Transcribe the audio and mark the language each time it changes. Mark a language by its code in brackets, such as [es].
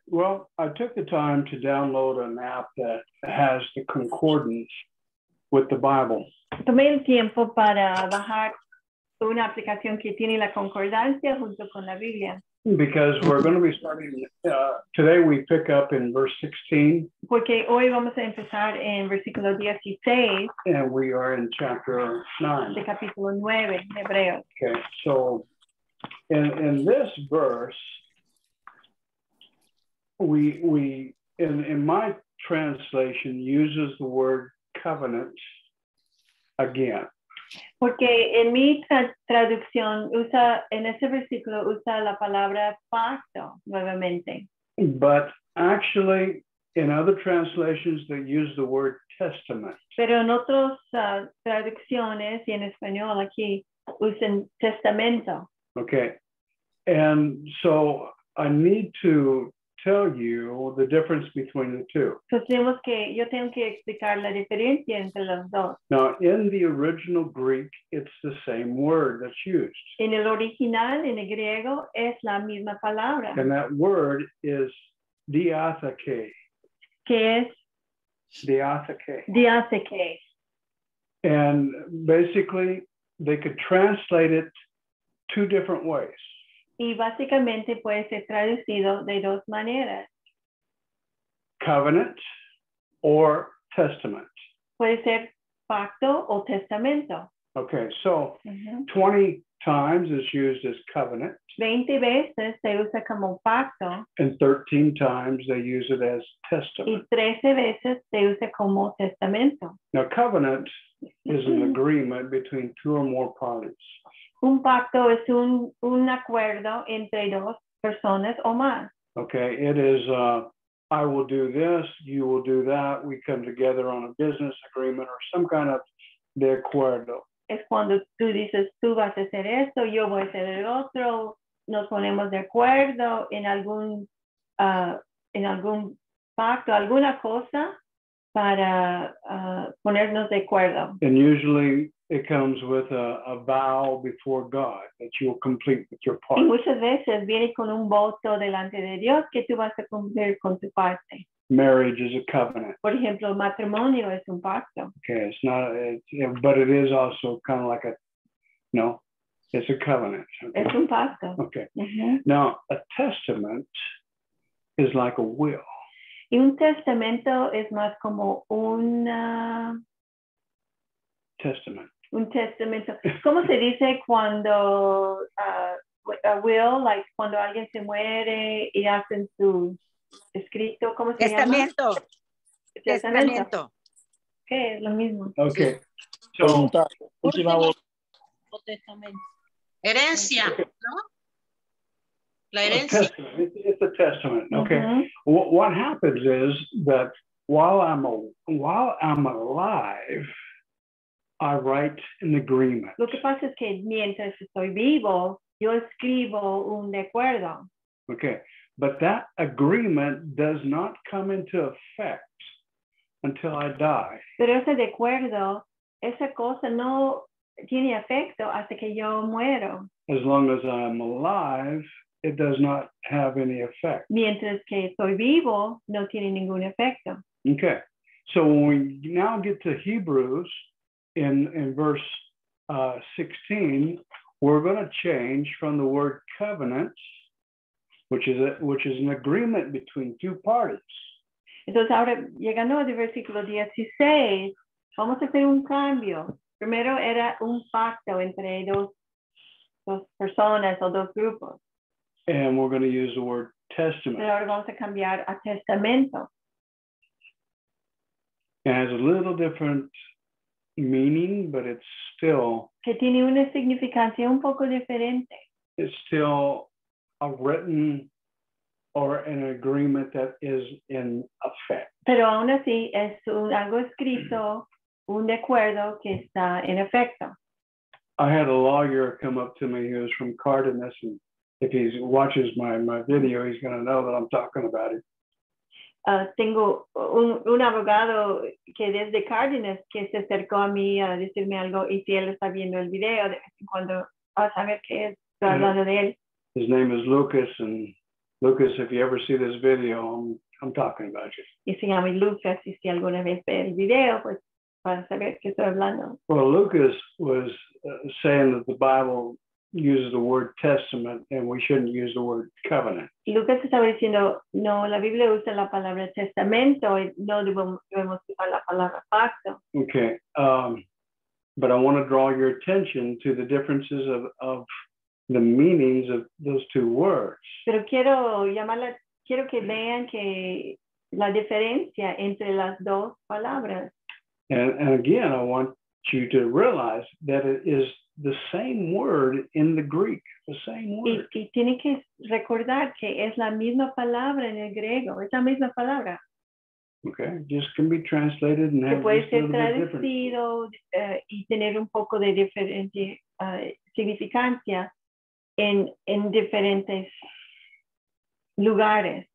[en] Well, I took the time to download an app that has the concordance with the Bible. [es] Tomé el tiempo para bajar una aplicación que tiene la concordancia junto con la Biblia. [en] Because we're going to be starting, today we pick up in verse 16. [es] Porque hoy vamos a empezar en versículo 16. [en] And we are in chapter 9. [es] De capítulo 9, en Hebreo. [en] Okay, so in this verse, in my translation, uses the word covenant again. [es] Porque en mi traducción usa, en ese versículo usa la palabra pacto nuevamente. [en] But actually, in other translations, they use the word testament. [es] Pero en otras traducciones y en español aquí usan testamento. [en] Okay. And so I need to tell you the difference between the two. [es] Tenemos que, yo tengo que explicar la diferencia entre los dos. [en] Now, in the original Greek, it's the same word that's used. [es] En el original, en el griego, es la misma palabra. [en] And that word is diatheke. [es] ¿Qué es? Diatheke. Diatheke. [en] And basically, they could translate it two different ways. [es] Y básicamente puede ser traducido de dos maneras. [en] Covenant or testament. [es] Puede ser pacto o testamento. [en] Okay, so uh-huh. 20 times it's used as covenant. [es] 20 veces se usa como pacto. [en] And 13 times they use it as testament. [es] Y 13 veces se usa como testamento. [en] Now, covenant is an agreement between two or more parties. [es] Un pacto es un acuerdo entre dos personas o más. [en] Okay, it is, I will do this, you will do that, we come together on a business agreement or some kind of [es] de acuerdo. Es cuando tú dices, tú vas a hacer esto, yo voy a hacer el otro, nos ponemos de acuerdo en algún pacto, alguna cosa para ponernos de acuerdo. [en] And usually it comes with a vow before God that you will complete with your part. [es] Y muchas veces viene con un voto delante de Dios que tú vas a cumplir con tu parte. [en] Marriage is a covenant. [es] Por ejemplo, matrimonio es un pacto. [en] Okay, it's not, but it is also kind of like a, no, it's a covenant. Okay. [es] Es un pacto. [en] Okay. Mm-hmm. Now, a testament is like a will. [es] Y un testamento es más como una... [en] testament. [es] Un testamento. ¿Cómo se dice cuando [en] a will, like [es] cuando alguien se muere y hacen su escrito? ¿Cómo se testamento. Llama? Testamento. Testamento. Ok, es lo mismo. Ok. So, última voz. Testamento. Herencia, ¿no? La herencia. [en] It's a testament. Okay. Mm-hmm. What happens is that while I'm alive, I write an agreement. [es] Lo que pasa es que mientras estoy vivo, yo escribo un de acuerdo. [en] Okay, but that agreement does not come into effect until I die. [es] Pero ese de acuerdo, esa cosa no tiene efecto hasta que yo muero. [en] As long as I'm alive, it does not have any effect. [es] Mientras que estoy vivo, no tiene ningún efecto. [en] Okay, so when we now get to Hebrews, In verse 16, we're going to change from the word covenant, which is an agreement between two parties. [es] Entonces ahora llegando al versículo 16, vamos a hacer un cambio. Primero era un pacto entre dos personas o dos grupos. [en] And we're going to use the word testament. [es] Pero ahora vamos a cambiar a testamento. [en] And it's a little different meaning, but it's still [es] que tiene una significancia un poco diferente. [en] It's still a written or an agreement that is in effect. [es] Pero aún así es algo escrito, un acuerdo que está en efecto. [en] I had a lawyer come up to me. He was from Cardenas, and if he watches my video, he's going to know that I'm talking about it. [es] Tengo un abogado que desde Cardenas que se acercó a mí a decirme algo y si él está viendo el video de vez en cuando va a saber qué es hablando de él. [en] His name is Lucas and Lucas, if you ever see this video, I'm talking about you. [es] Y si llama Lucas, y si alguna vez ve el video, pues para saber que estoy hablando. [en] Well, Lucas was saying that the Bible uses the word testament and we shouldn't use the word covenant. [es] Lucas estaba diciendo, no, la Biblia usa la palabra testamento y no debemos usar la palabra pacto. [en] Okay. But I want to draw your attention to the differences of the meanings of those two words. [es] Pero quiero llamarla, quiero que vean que la diferencia entre las dos palabras. [en] And again, I want you to realize that it is the same word in the Greek, the same word. [es] Y tiene que recordar que es la misma palabra en el griego, es la misma palabra. [en] Okay, just can be translated and have a little bit different. [es] Puede ser traducido y tener un poco de diferente significancia en diferentes lugares.